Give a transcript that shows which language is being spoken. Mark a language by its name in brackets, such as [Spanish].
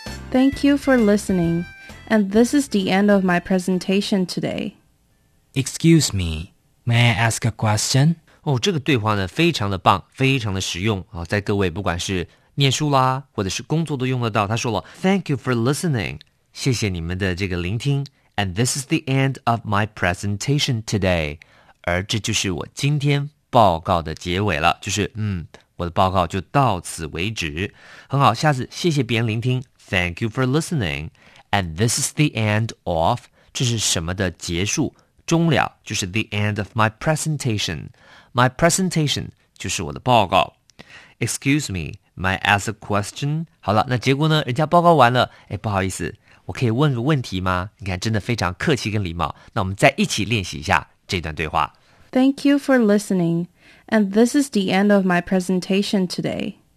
[English] Thank you for listening, and this is the end of my presentation today. Excuse me, may I ask a question? [Chinese] 哦，这个对话呢，非常的棒，非常的实用啊，在各位不管是念书啦，或者是工作都用得到。他说了 ， [English] Thank you for listening， [Chinese] 谢谢你们的这个聆听 ， [English] and this is the end of my presentation today， [Chinese] 而这就是我今天报告的结尾了，就是我的报告就到此为止。很好，下次谢谢别人聆听。 [English] Thank you for listening. And this is the end of, [Chinese] 这是什么的结束终了就是 [English] the end of my presentation. My presentation [Chinese] 就是我的报告。 [English] Excuse me, may I ask a question? [Chinese] 好了那结果呢人家报告完了哎，不好意思我可以问个问题吗你看真的非常客气跟礼貌。那我们再一起练习一下这段对话。 [English] Thank you for listening. And this is the end of my presentation today.